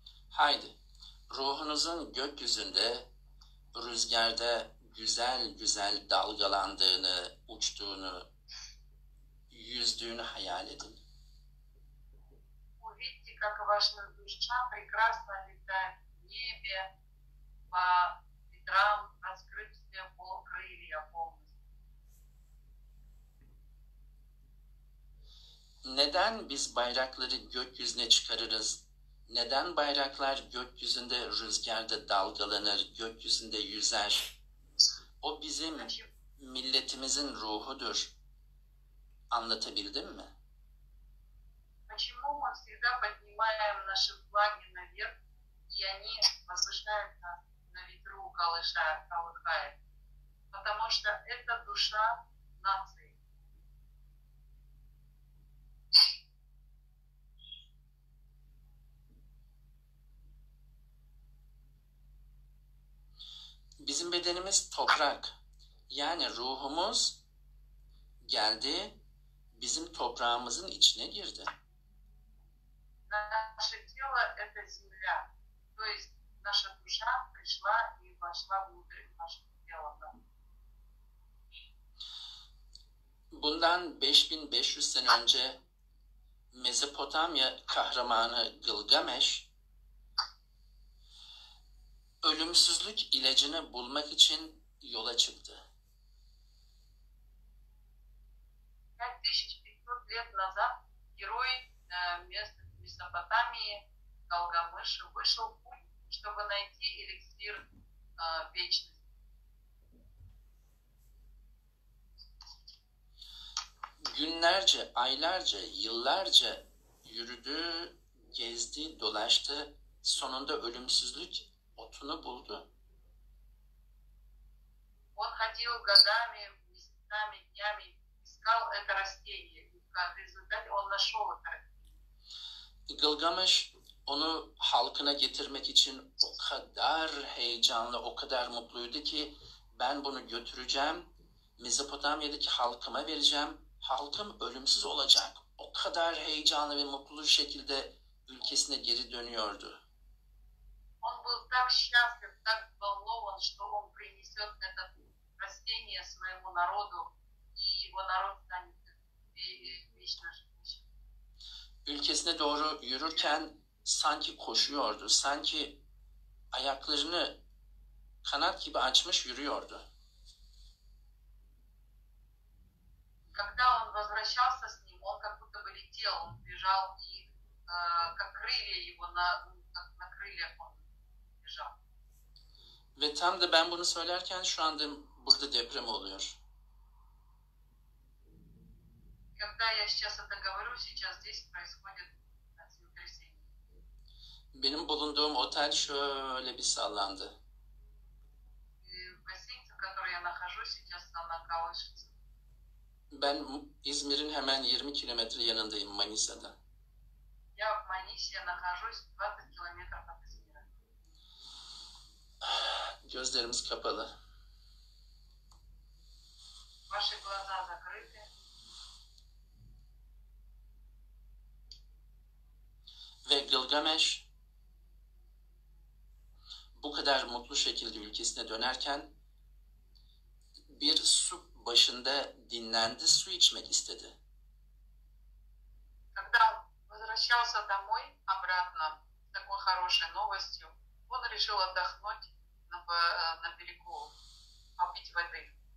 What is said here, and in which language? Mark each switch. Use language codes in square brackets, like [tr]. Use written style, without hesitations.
[tr] Haydi, ruhunuzun gökyüzünde, rüzgarda güzel güzel dalgalandığını, uçtuğunu, yüzdüğünü hayal edin. [ru] Увидьте, как ваша душа прекрасно летает в небе, по ветрам, раскрыв себе полукрылья полностью. [tr] Neden biz bayrakları gökyüzüne çıkarırız? Neden bayraklar gökyüzünde rüzgarda dalgalanır, gökyüzünde yüzer? O bizim milletimizin ruhudur. Anlatabildim mi? [ru] Почему мы всегда поднимаем наши флаги наверх, и они возвышаются на ветру, колыхая? Потому что это душа нации. [tr] Bizim bedenimiz toprak. Yani ruhumuz geldi, bizim toprağımızın içine girdi. [ru] Наше тело – это земля. То есть наша душа пришла и вошла внутрь нашего тела. [tr] Bundan 5500 sene önce Mezopotamya kahramanı Gilgamesh ölümsüzlük ilacını bulmak için yola çıktı. [ru] 5500 лет назад герой Месопотамии Галгамыш вышел в путь, чтобы найти эликсир вечности. [tr] Günlerce, aylarca, yıllarca yürüdü, gezdi, dolaştı, sonunda ölümsüzlük otunu buldu. [ru] Он ходил годами, месяцами, днями, искал это растение. И в результате он нашел это растение. [tr] Gilgamesh onu halkına getirmek için o kadar heyecanlı, o kadar mutluydu ki ben bunu götüreceğim, Mezopotamya'daki halkıma vereceğim, halkım ölümsüz olacak. O kadar heyecanlı ve mutlu şekilde ülkesine geri dönüyordu. [ru] Он был так счастлив, так волнован, что он принесет это растение своему народу, и его народ станет вечным. [tr] Ülkesine doğru yürürken sanki koşuyordu, sanki ayaklarını kanat gibi açmış yürüyordu. [ru] Когда он возвращался с ним, он как будто бы летел, он бежал, и как крылья его на крыльях он бежал. [tr] Ve tam da ben bunu söylerken şu anda burada deprem oluyor. [ru] Когда я сейчас это говорю, сейчас здесь происходит землетрясение. [tr] Benim bulunduğum otel şöyle bir sallandı. [ru] Гостиница, в которой я нахожусь, сейчас она колышется. [tr] Ben İzmir'in hemen 20 kilometre yanındayım, Manisa'da. [ru] Я в Манисе нахожусь 20 километров от Измира. [tr] Gözlerimiz kapalı. [ru] Ваши глаза закрыты. [tr] Ve Gilgamesh bu kadar mutlu şekilde ülkesine dönerken bir su başında dinlendi, su içmek istedi. [ru] Когда возвращался домой обратно с такой хорошей новостью, он решил отдохнуть на берегу, попить воды.